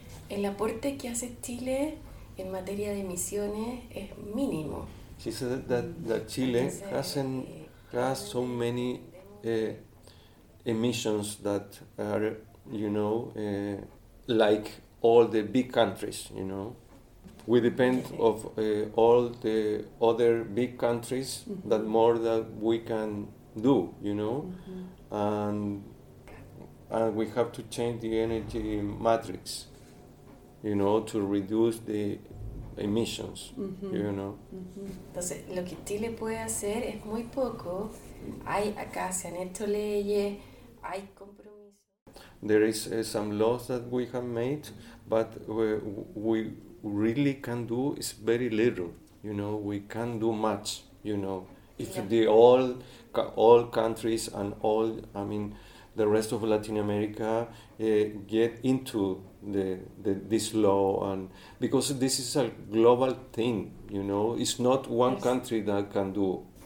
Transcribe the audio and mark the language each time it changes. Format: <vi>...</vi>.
<es>El aporte que hace Chile en materia de emisiones es mínimo.</es> <en>She said that Chile has so many emissions that are, you know, like all the big countries, you know. We depend of all the other big countries mm-hmm. that more that we can do, you know. Mm-hmm. And we have to change the energy matrix, you know, to reduce the emissions, mm-hmm. you know. Mm-hmm.</en> <es>Entonces, lo que Chile puede hacer es muy poco. Hay acá, se han hecho leyes, hay compromisos.</es> <en>There is some laws that we have made, but we really can do is very little. You know, we can't do much, you know. If yeah. the all countries and all, I mean, the rest of Latin America get into this law, and because this is a global thing, you know, it's not one country that can do.</en>